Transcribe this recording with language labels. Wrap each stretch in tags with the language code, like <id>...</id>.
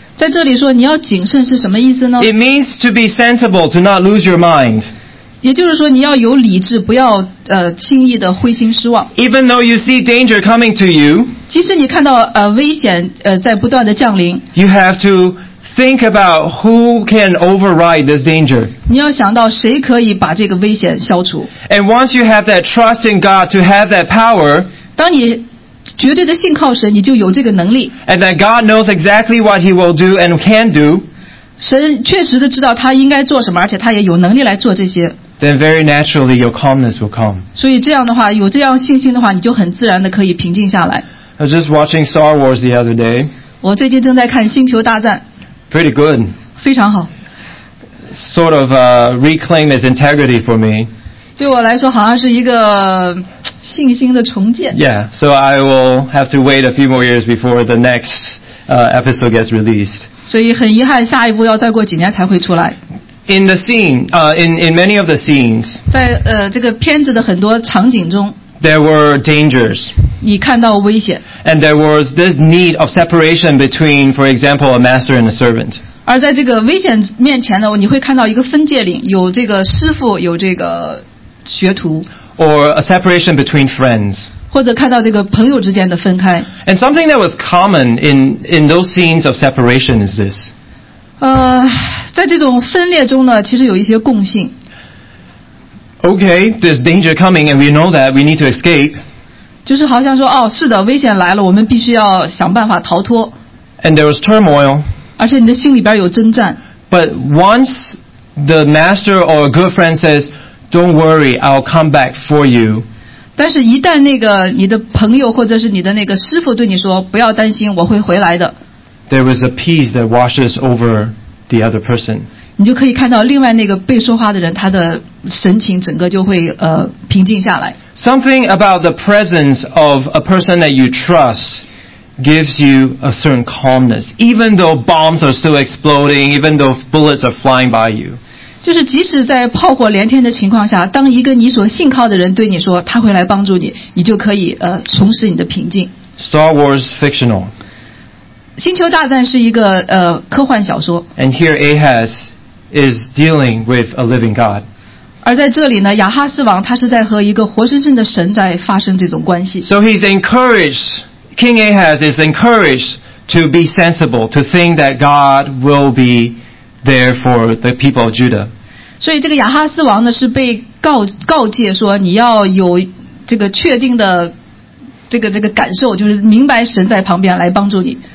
<zh>在这里说你要谨慎是什么意思呢</zh> <en>？It means to be sensible, to not lose your mind.</en> <zh>也就是说，你要有理智，不要轻易的灰心失望。</zh> <en>Even though you see danger coming to you,</en> <zh>即使你看到危险在不断的降临</zh> <en>，you have to. Think about who can override this danger.</en> <zh>你要想到谁可以把这个危险消除。</zh> <en>And once you have that trust in God to have that power,</en> <zh>当你绝对的信靠神，你就有这个能力。</zh> <en>And that God knows exactly what He will do and can do.</en> <zh>神确实的知道他应该做什么，而且他也有能力来做这些。</zh> <en>then very naturally your calmness will come.</en> <zh>所以这样的话，有这样信心的话，你就很自然的可以平静下来。</zh> <en>I was just watching Star Wars the other day.</en> <zh>我最近正在看《星球大战》。</zh> <en>Pretty good.</en> <zh>非常好。</zh> <en>Sort of reclaim its integrity for me.</en> <zh>对我来说，好像是一个信心的重建。</zh> <en>Yeah, so I will have to wait a few more years before the next episode gets released.</en> <zh>所以很遗憾，下一部要再过几年才会出来。</zh> <en>In the scene, in many of the scenes,</en> <zh>在这个片子的很多场景中</zh> <en>，there were dangers.</en> <zh>你看到危险。</zh> <en>And there was this need of separation between, for example, a master and a servant.</en> <zh>而在这个危险面前呢，你会看到一个分界岭，有这个师傅，有这个学徒。</zh> <en>Or a separation between friends.</en> <zh>或者看到这个朋友之间的分开。</zh> <en>And something that was common in those scenes of separation is this.</en> <zh>在这种分裂中呢，其实有一些共性。</zh> <en>Okay, there's danger coming, and we know that we need to escape.</en> <zh>就是好像说，哦，是的，危险来了，我们必须要想办法逃脱。</zh> <en>And there was turmoil.</en> <zh>而且你的心里边有征战。</zh> <en>But once the master or a good friend says, "Don't worry, I'll come back for you."</en> <zh>但是，一旦那个你的朋友或者是你的那个师傅对你说，不要担心，我会回来的。</zh> <en>There was a peace that washes over the other person.</en> <zh>你就可以看到另外那个被说话的人，他的神情整个就会平静下来。</zh> <en>Something about the presence of a person that you trust gives you a certain calmness, even though bombs are still exploding, even though bullets are flying by you.</en> <zh>就是即使在炮火连天的情况下，当一个你所信靠的人对你说他会来帮助你，你就可以重拾你的平静。</zh> <en>Star Wars fictional.</en> <zh>星球大战是一个科幻小说。</zh> <en>And here Ahaz is dealing with a living God.</en> <zh>而在这里呢，亚哈斯王他是在和一个活生生的神在发生这种关系。</zh> <en>So he's encouraged, King Ahaz is encouraged to be sensible, to think that God will be there for the people of Judah.</en> <zh>所以这个亚哈斯王呢是被告诫说你要有这个确定的这个感受，就是明白神在旁边来帮助你。</zh>